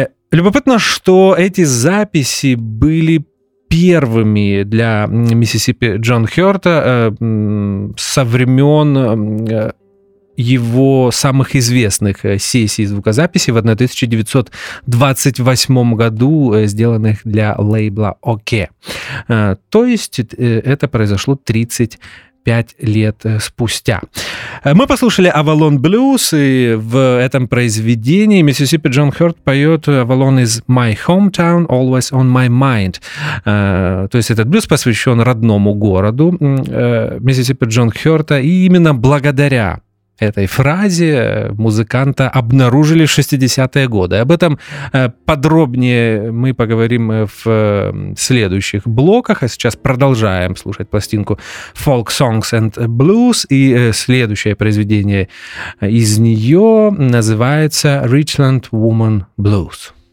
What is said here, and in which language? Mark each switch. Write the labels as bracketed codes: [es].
[ru] Любопытно, что эти записи были первыми для Миссисипи Джон Хёрта со времен его самых известных сессий звукозаписи в 1928 году, сделанных для лейбла OK. То есть это произошло 35 25 лет спустя. Мы послушали «Avalon Blues», и в этом произведении Mississippi John Hurt поет [en] «Avalon is my hometown, always on my mind». [ru] То есть этот блюз посвящен родному городу Mississippi John Hurt, и именно благодаря этой фразе музыканта обнаружили в 60-е годы. Об этом подробнее мы поговорим в следующих блоках, а сейчас продолжаем слушать пластинку «Folk Songs and Blues», и следующее произведение из нее называется «Richland Woman Blues».